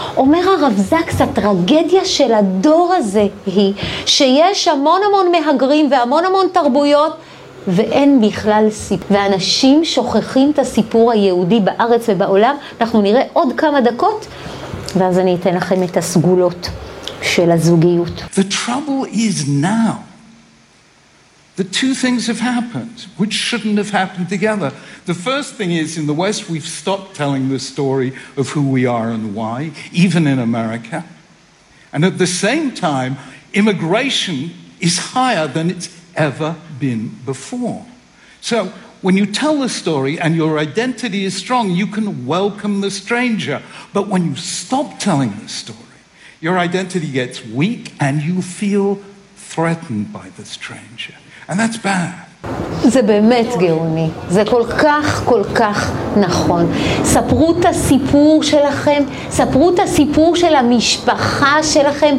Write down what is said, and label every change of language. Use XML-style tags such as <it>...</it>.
<he>אומר הרב זקס, הטרגדיה של הדור הזה היא שיש המון המון מהגרים והמון המון תרבויות ואין בכלל סיפור. ואנשים שוכחים את הסיפור היהודי בארץ ובעולם. אנחנו נראה עוד כמה דקות ואז אני אתן לכם את הסגולות של הזוגיות.</he> <en>The trouble is now. The two things have happened, which shouldn't have happened together. The first thing is, in the West, we've stopped telling the story of who we are and why, even in America. And at the same time, immigration is higher than it's ever been before. So, when you tell the story and your identity is strong, you can welcome the stranger. But when you stop telling the story, your identity gets weak and you feel threatened by the stranger. And that's bad.</en> <he>זה באמת גאוני, זה כל כך כל כך נכון. ספרו את הסיפור שלכם, ספרו את הסיפור של המשפחה שלכם.</he>